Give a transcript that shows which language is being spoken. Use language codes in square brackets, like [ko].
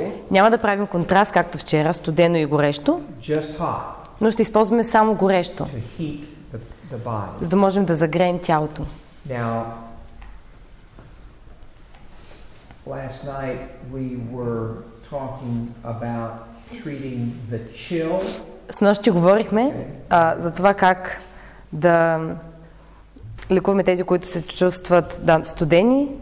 [bg] Няма да правим контраст, както вчера, студено и горещо, [en] just hot, [bg] но ще използваме само горещо, [en] to heat the body. [bg] За да можем да загреем тялото. [en] Now, last night we were talking about treating the chill. [bg] Снощи говорихме за това как да лекуваме тези, които се чувстват студени.